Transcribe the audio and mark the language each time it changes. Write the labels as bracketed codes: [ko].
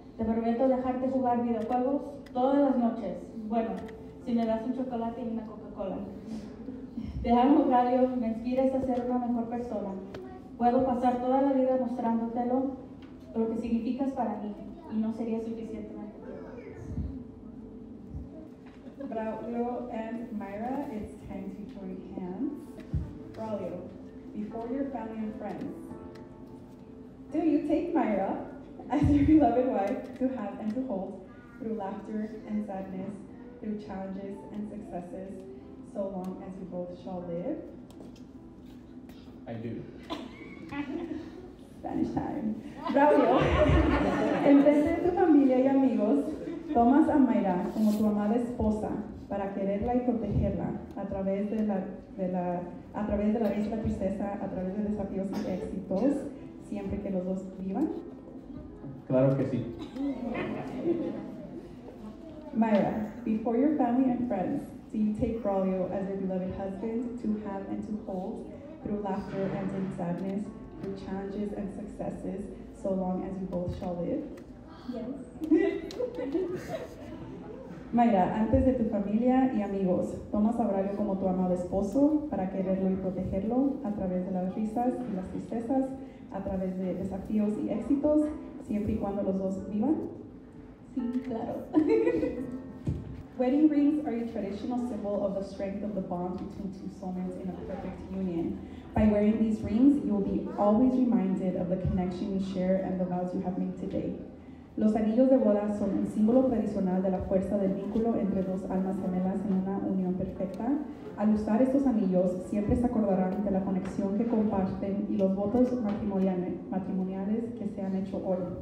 [es] Te prometo dejarte jugar videojuegos todas las noches. Bueno, si me das un chocolate y una Coca-Cola. Te amo, Braulio, me inspiras a ser una mejor persona. Puedo pasar toda la vida mostrándotelo, lo que significas para mí, y no sería suficientemente. [en] Braulio and Maira, it's time to join hands. Braulio, before your family and friends, do you take Maira as your beloved wife to have and to hold through laughter and sadness, through challenges and successes, so long as you both shall live? I do. Spanish time. [es] Braulio, en vez de tu familia y amigos, tomas a Maira como tu amada esposa para quererla y protegerla a través de la tristeza, a través de desafíos y éxitos, siempre que los dos vivan? Claro que sí. [en] Maira, before your family and friends, do you take Braulio as your beloved husband to have and to hold through laughter and in sadness, through challenges and successes, so long as you both shall live? Yes. [es] Maira, antes de tu familia y amigos, tomas a Braulio como tu amado esposo para quererlo y protegerlo a través de las risas y las tristezas, a través de desafíos y éxitos, siempre y cuando los dos vivan? Sí, claro. [en] Wedding rings are a traditional symbol of the strength of the bond between two soulmates in a perfect union. By wearing these rings, you will be always reminded of the connection you share and the vows you have made today. [es] Los anillos de boda son un símbolo tradicional de la fuerza del vínculo entre dos almas gemelas en una unión perfecta. Al usar estos anillos, siempre se acordarán de la conexión que comparten y los votos matrimoniales que se han hecho hoy.